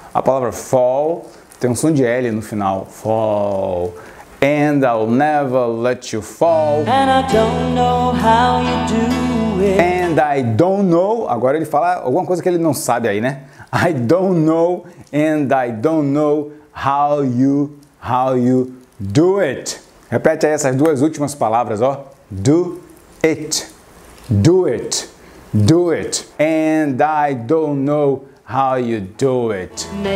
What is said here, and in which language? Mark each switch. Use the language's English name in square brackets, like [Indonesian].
[Portuguese] A palavra fall tem um som de L no final. [English] Fall. And I'll never let you fall. And I don't know how you do it. And I don't know. [Portuguese] Agora ele fala alguma coisa que ele não sabe aí, né? [English] I don't know. And I don't know how you do it. [Portuguese] Repete aí essas duas últimas palavras, ó. [English] Do it. Do it. Do it. And I don't know how you do it.